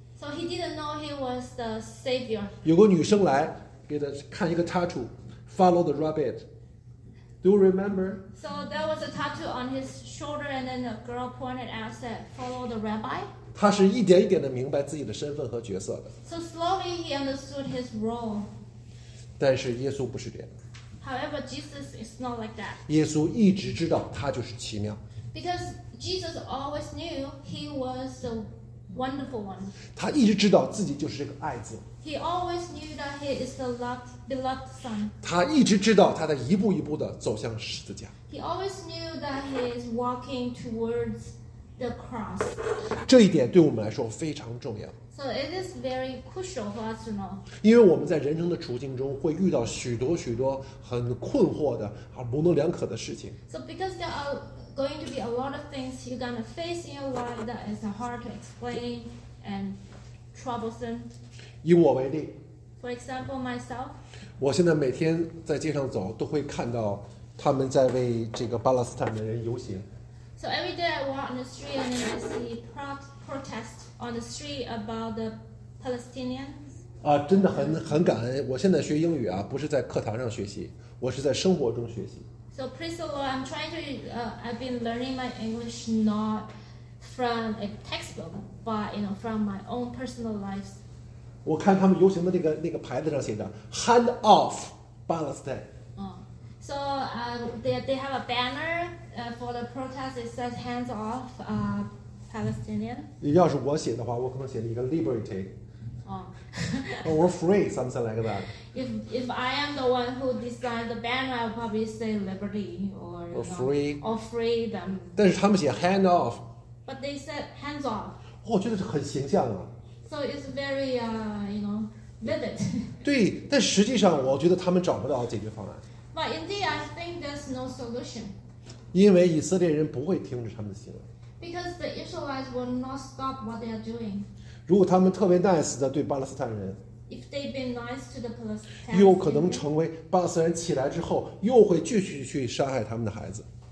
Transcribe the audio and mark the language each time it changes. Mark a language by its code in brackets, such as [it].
[en] So he didn't know he was the savior. [zh] 有个女生来给他看一个 tattoo, [en] follow the rabbit. Do you remember? So there was a tattoo on his shoulder, and then a girl pointed out, said, follow the rabbi. [zh] 他是一点一点的明白自己的身份和角色的。 [en] So slowly he understood his role. [zh] 但是耶稣不是这样。 [en] However, Jesus is not like that. [zh] 耶稣一直知道他就是奇妙。 [en] Because Jesus always knew he was the wonderful one. [zh] 他一直知道自己就是这个爱子。 [en] He always knew that he is the beloved son. [zh] 他一直知道他的一步一步的走向十字架。 [en] He always knew that he is walking towards the cross. [zh] 这一点对我们来说非常重要。 [en] So it is very crucial for us to know. [zh] 因为我们在人生的处境中会遇到许多许多很困惑的而模棱两可的事情。 [en] So because there are going to be a lot of things you're going to face in your life that is hard to explain and troublesome. [zh] 以我为例。 [en] For example, myself. [zh] 我现在每天在街上走都会看到他们在为这个巴勒斯坦的人游行。 [en] So every day I walk on the street and then I see protests on the street about the Palestinians. [zh] 啊，真的很感恩。我现在学英语啊，不是在课堂上学习，我是在生活中学习。 [en] So praise the Lord, I'm trying to, I've been learning my English not from a textbook, but you know, from my own personal life. [zh] 我看他们游行的那个牌子上写着 [en] "Hand off Palestine." So they have a banner for the protest. It says "Hands off Palestinian." [zh] 要是我写的话，我可能写了一个 "Liberty." [en] Oh. Or "Free," something like that. If I am the one who designed the banner, I'll probably say "Liberty" or "Free." Or "Freedom." [zh] 但是他们写 [en] "Hand off." But they said "Hands off." [zh] 我觉得是很形象啊。 [en] So it's very vivid. [zh] 对，但实际上我觉得他们找不到解决方案。 [en] But indeed, I think there's no solution. [zh] 因为以色列人不会停止他们的行为。 [en] Because the Israelites will not stop what they are doing. [zh] 如果他们特别 nice 的对巴勒斯坦人， [en] if they've been nice to the Palestinians, [zh] 又可能成为巴勒斯坦人起来之后又会继续去杀害他们的孩子。